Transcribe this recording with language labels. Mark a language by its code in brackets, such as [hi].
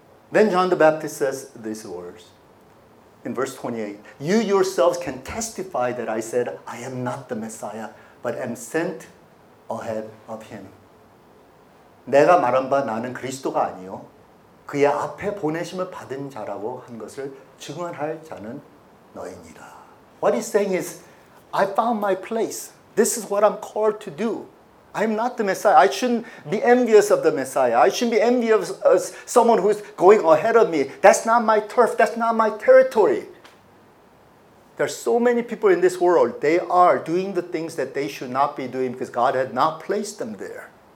[en] Then John the Baptist says these words in verse 28. You yourselves can testify that I said, I am not the Messiah, but am sent ahead of him. [ko] 내가 말한 바 나는 그리스도가 아니요 그의 앞에 보내심을 받은 자라고 한 것을 증언할 자는 너희니라. [en] What he's saying is, I found my place. This is what I'm called to do. I'm not the Messiah. I shouldn't be envious of the Messiah. I shouldn't be envious of someone who's going ahead of me. That's not my turf. That's not my territory. There are so many people in this world. They are doing the things that they should not be doing because God had not placed them there.